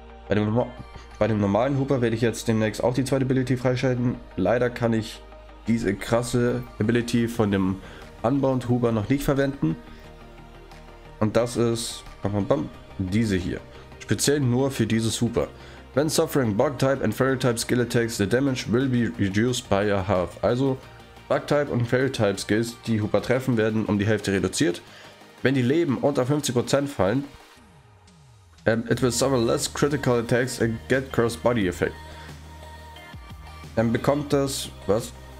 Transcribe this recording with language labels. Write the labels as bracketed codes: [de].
[de] Bei dem normalen Hooper werde ich jetzt demnächst auch die zweite Ability freischalten. Leider kann ich diese krasse Ability von dem Unbound Hooper noch nicht verwenden. Und das ist diese hier. Speziell nur für dieses Hooper. [en] When suffering Bug-Type and Fairy-Type Skill Attacks, the damage will be reduced by a half. [de] Also Bug-Type und Fairy-Type Skills, die Hooper treffen, werden um die Hälfte reduziert. Wenn die Leben unter 50% fallen, [en] it will suffer less critical attacks and get cross body effect. [de] Dann bekommt das, was?